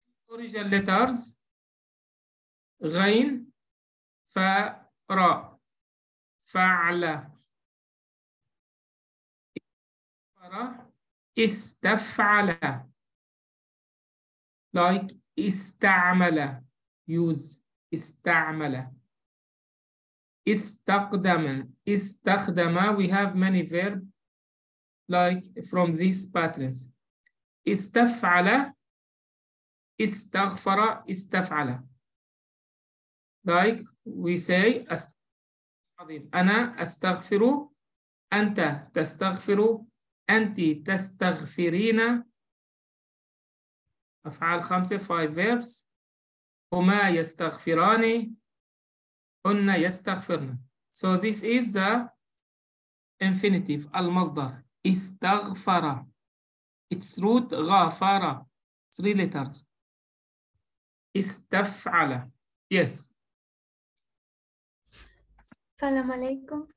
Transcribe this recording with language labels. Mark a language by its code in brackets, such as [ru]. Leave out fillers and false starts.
[en] Original letters [ar] غين فاء راء فعل استغفر استفعل [en] like [ar] استعمل [en] use [ar] استعمل استقدم استخدم. [en] We have many verbs like from these patterns. [ar] استفعل استغفر استفعل [en] like we say [ar] عظيم أنا أستغفر أنت تستغفر أنت تستغفرين. أفعال خمسة [en] five verbs. [ar] هما يستغفران هن يستغفرن. [en] So this is the infinitive [ar] المصدر استغفر. [en] It's root غفر three letters. [ar] استفعل. [en] Yes. [ar] السلام عليكم.